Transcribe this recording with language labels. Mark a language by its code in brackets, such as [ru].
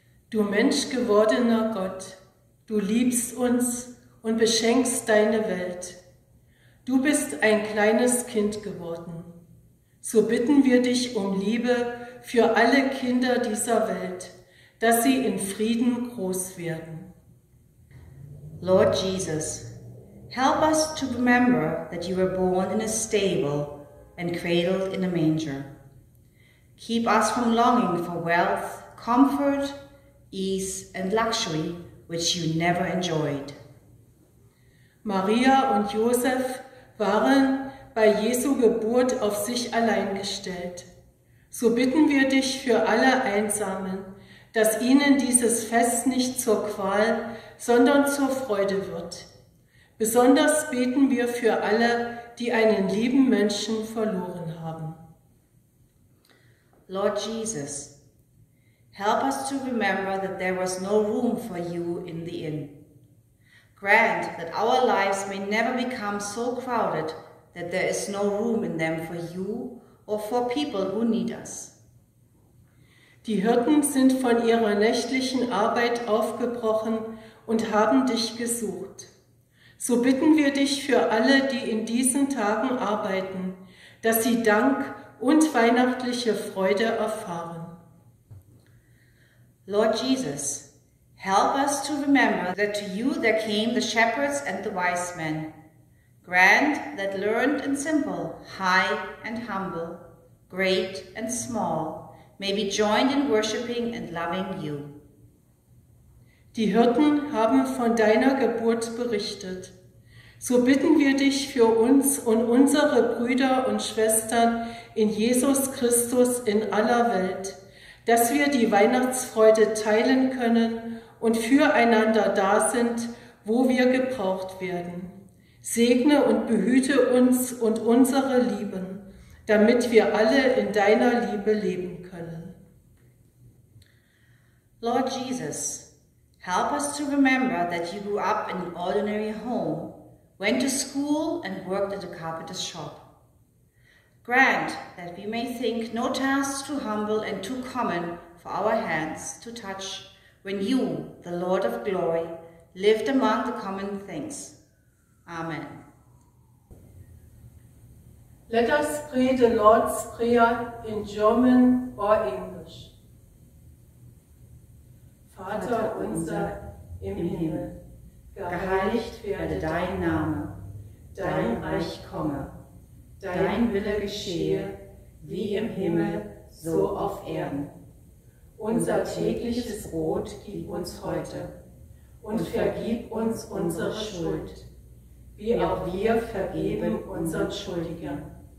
[de] Du Mensch gewordener Gott, du liebst uns und beschenkst deine Welt. Du bist ein kleines Kind geworden. So bitten wir dich um Liebe für alle Kinder dieser Welt, dass sie in Frieden groß werden. [en] Lord Jesus, help us to remember that you were born in a stable and cradled in a manger. Keep us from longing for wealth, comfort, ease and luxury, which you never enjoyed. [de] Maria und Josef waren bei Jesu Geburt auf sich allein gestellt. So bitten wir dich für alle Einsamen, dass ihnen dieses Fest nicht zur Qual, sondern zur Freude wird. Besonders beten wir für alle, die einen lieben Menschen verloren haben. [en] Lord Jesus, help us to remember that there was no room for you in the inn. Grant that our lives may never become so crowded that there is no room in them for you or for people who need us. [de] Die Hirten sind von ihrer nächtlichen Arbeit aufgebrochen und haben dich gesucht. So bitten wir dich für alle, die in diesen Tagen arbeiten, dass sie Dank und weihnachtliche Freude erfahren. [en] Lord Jesus, help us to remember that to you there came the shepherds and the wise men. Grant that learned and simple, high and humble, great and small, may be joined in worshiping and loving you. [de] Die Hirten haben von deiner Geburt berichtet. So bitten wir dich für uns und unsere Brüder und Schwestern in Jesus Christus in aller Welt, dass wir die Weihnachtsfreude teilen können und füreinander da sind, wo wir gebraucht werden. Segne und behüte uns und unsere Lieben, damit wir alle in deiner Liebe leben können. [en] Lord Jesus, help us to remember that you grew up in an ordinary home, went to school and worked at a carpenter's shop. Grant that we may think no task too humble and too common for our hands to touch when you, the Lord of glory, lived among the common things. Amen. Let us pray the Lord's Prayer in German or English. [de] Vater unser im Himmel, geheiligt werde dein Name, dein Reich komme, dein Wille geschehe, wie im Himmel, so auf Erden. Unser tägliches Brot gib uns heute und vergib uns unsere Schuld, wie auch wir vergeben unseren Schuldigern.